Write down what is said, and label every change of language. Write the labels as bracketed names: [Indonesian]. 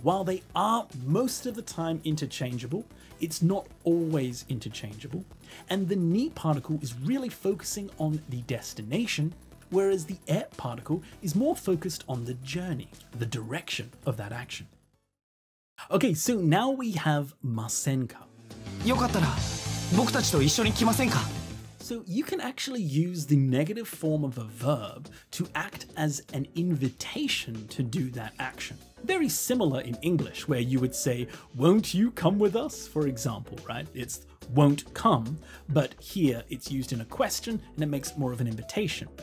[English] While they are most of the time interchangeable, it's not always interchangeable. And the ni particle is really focusing on the destination, whereas the e particle is more focused on the journey, the direction of that action. Okay, so now we have ませんか. [Japanese] よかったら僕たちと一緒に来ませんか? [English] So you can actually use the negative form of a verb to act as an invitation to do that action. Very similar in English, where you would say, won't you come with us, for example, right? It's won't come, but here it's used in a question and it makes more of an invitation.